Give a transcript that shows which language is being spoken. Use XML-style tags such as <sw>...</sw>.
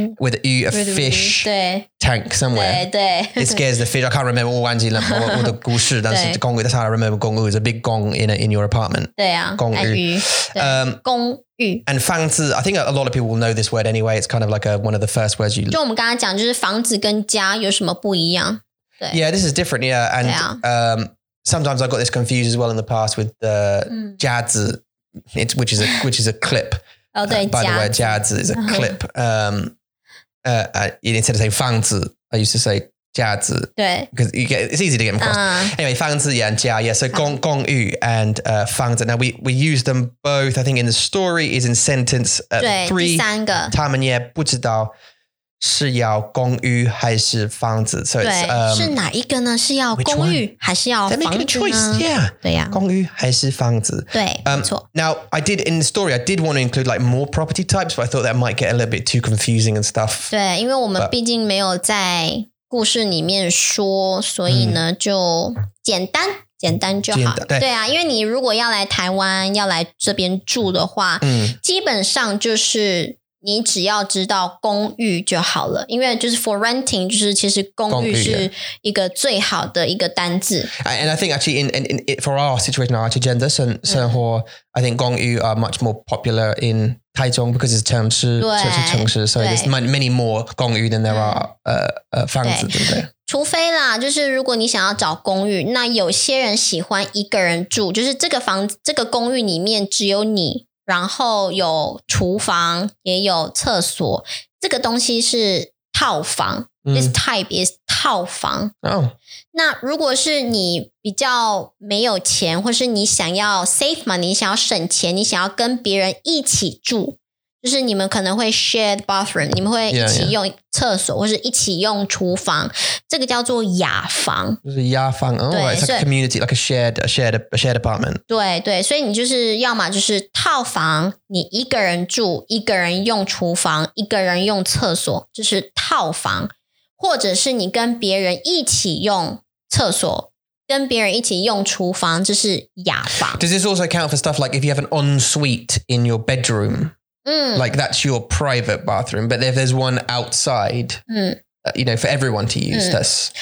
<en>With a fish tank somewhere.</en> <zh>对,</zh> <en>it scares the fish. I can't remember all the 故事,</en> <zh>但是公寓,</zh> <en>that's how I remember 公寓, it's a big gong in your apartment.</en> <zh>对啊, 公寓。公寓。</zh> <en>And 房子, I think a lot of people will know this word anyway. It's kind of like one of the first words you...</en> <zh>就我们刚才讲,就是房子跟家有什么不一样。对。</zh> <en>Yeah, this is different, yeah. And</en> <zh>对啊。</zh> <en>Sometimes I got this confused as well in the past with the 家子, which is a clip.</en> <zh>Oh, 对,</zh> <en>by the way, 家子 is a clip. Instead of saying 房子, I used to say 家子.</en> <zh>对,</zh> <en>because it's easy to get them crossed. Anyway, 房子 and 家, yeah. So 公寓 and 房子. Now we use them both. I think in the story is in sentence 3.</en> <zh>第三个，他们也不知道是要公寓还是房子.</zh> <en>So</en> <zh>对,</zh> <en>it's</en> <zh>是哪一个呢？是要公寓还是要房子呢？</zh> <en>They're making a choice. Yeah.</en> <zh>对呀、啊，公寓还是房子。对，没错。</zh> <en>Now I did in the story. I did want to include like more property types, but I thought that might get a little bit too confusing and stuff.</en> <zh>对，因为我们毕竟没有在故事里面说，所以呢就简单。简单就好对，对啊，因为你如果要来台湾，要来这边住的话，基本上就是你只要知道公寓就好了，因为就是</zh> <en>for renting，</en> <zh>就是其实公寓是一个最好的一个单字。</zh> <en>Yeah. And I think actually in it, for our situation, our agenda, 生活 I think 公寓 are much more popular in 台中 because it's</en> <zh>城市，就是城市</zh> <en>，so there's many more 公寓 than there are 房子，</en> <zh>对不对？除非啦，就是如果你想要找公寓，那有些人喜欢一个人住，就是这个房子、这个公寓里面只有你，然后有厨房，也有厕所，这个东西是套房，</zh> <en>This type is</en> <zh>套房。那如果是你比较没有钱，或是你想要</zh> <en>save money，</en> <zh>你想要省钱，你想要跟别人一起住，就是你们可能会</zh> <en>share the bathroom，</en> <zh>你们会一起用厕所 或是一起用厨房，这个叫做雅房。就是雅房，哦，对，是 community，</zh> <en>like a shared apartment。</en> <zh>对对，所以你就是要么就是套房，你一个人住，一个人用厨房，一个人用厕所，就是套房。或者是你跟别人一起用厕所，跟别人一起用厨房，这是雅房。</zh> <en>Does this also count for stuff like if you have an ensuite in your bedroom? Like that's your private bathroom, but if there's one outside, you know, for everyone to use, that's...</en>